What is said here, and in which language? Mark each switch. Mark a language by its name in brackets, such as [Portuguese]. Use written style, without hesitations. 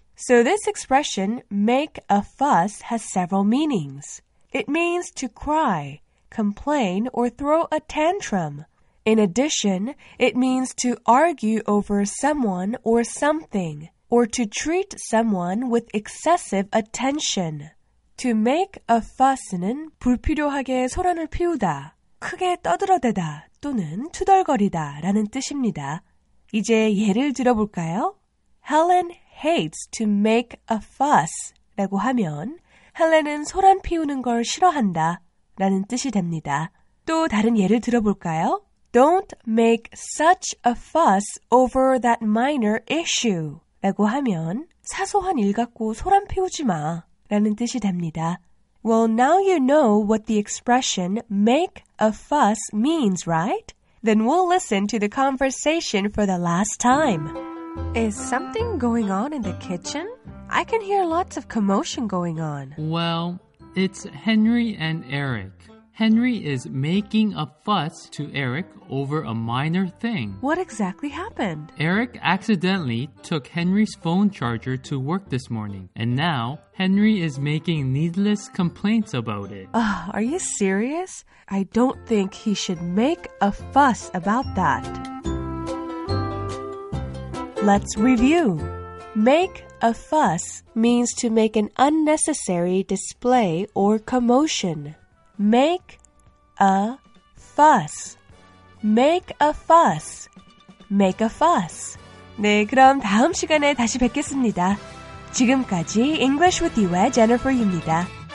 [English] So this expression, make a fuss, has several meanings. It means to cry, complain, or throw a tantrum. In addition, it means to argue over someone or something, or to treat someone with excessive attention. [Korean] To make a fuss는 불필요하게 소란을 피우다, 크게 떠들어대다, 또는 투덜거리다 라는 뜻입니다. 이제 예를 들어볼까요? [English] Helen hates to make a fuss [Korean] 라고 하면 헬렌은 소란 피우는 걸 싫어한다. 라는 뜻이 됩니다. 또 다른 예를 들어볼까요? [English] Don't make such a fuss over that minor issue. [Korean] 라고 하면 사소한 일 갖고 소란 피우지 마. 라는 뜻이 됩니다. [English] Well, now you know what the expression make a fuss means, right? Then we'll listen to the conversation for the last time. Is something going on in the kitchen? I can hear lots of commotion going on. Well, it's Henry and Eric. Henry is making a fuss to Eric over a minor thing. What exactly happened? Eric accidentally took Henry's phone charger to work this morning, and now Henry is making needless complaints about it. Are you serious? I don't think he should make a fuss about that. Let's review. Make a fuss means to make an unnecessary display or commotion. Make a fuss. Make a fuss. Make a fuss. [Korean] 네, 그럼 다음 시간에 다시 뵙겠습니다. 지금까지 English with You의 Jennifer입니다.